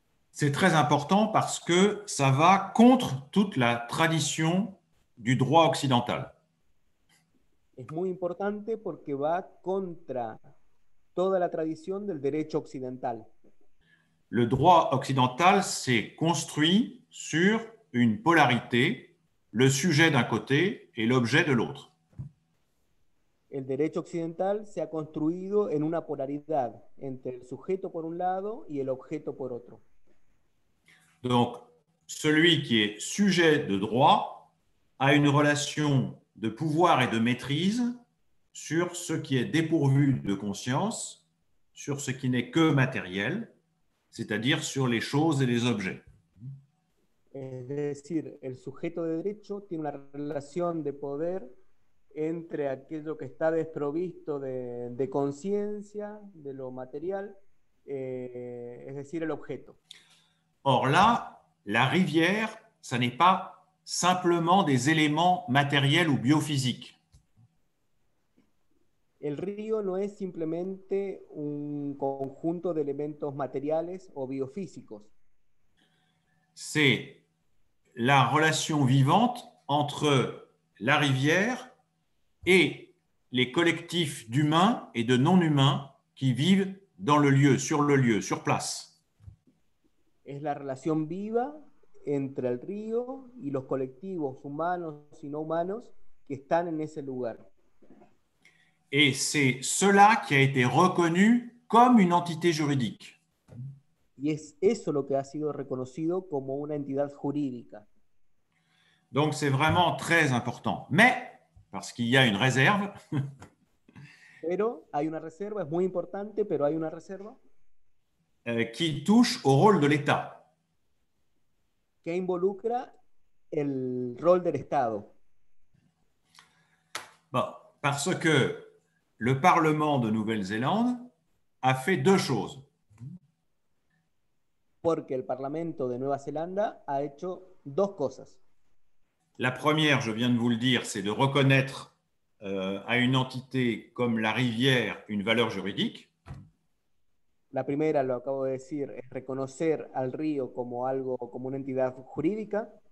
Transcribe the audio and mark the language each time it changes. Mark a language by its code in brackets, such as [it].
[fr] C'est très important parce que ça va contre toute la tradition du droit occidental. [es] Es muy importante porque va contra toda la tradición del derecho occidental. [fr] Le droit occidental s'est construit sur une polarité le sujet d'un côté et l'objet de l'autre. [es] El derecho occidental se ha construido en una polaridad entre el sujeto por un lado y el objeto por otro. [fr] Donc, celui qui est sujet de droit a une relation de pouvoir et de maîtrise sur ce qui est dépourvu de conscience, sur ce qui n'est que matériel, c'est-à-dire sur les choses et les objets. [es] Es decir, el sujeto de derecho tiene una relación de poder entre aquello que está desprovisto de conciencia, de lo material, es decir, el objeto. [fr] Or là, la rivière, ça n'est pas simplement des éléments matériels ou biophysiques. [es] El río no es simplemente un conjunto de elementos materiales o biofísicos. [fr] C'est la relation vivante entre la rivière et les collectifs d'humains et de non-humains qui vivent dans le lieu, sur place. [es] Es la relación viva entre el río y los colectivos humanos y no humanos que están en ese lugar. [fr] Et c'est cela qui a été reconnu comme une entité juridique. [es] Y es eso lo que ha sido reconocido como una entidad jurídica. [fr] Donc c'est vraiment très important. Mais parce qu'il y a une réserve. [es] Pero hay una reserva, es muy importante, pero hay una reserva. [fr] Qui touche au rôle de l'État. [es] Que involucra el rol del Estado. [fr] Bon, parce que le Parlement de Nouvelle-Zélande a fait deux choses. [es] Porque el Parlamento de Nueva Zelanda ha hecho dos cosas. [fr] La première, je viens de vous le dire, c'est de reconnaître à une entité comme la rivière une valeur juridique. [es] La primera, lo acabo de decir, es reconocer al río como algo, como una entidad jurídica.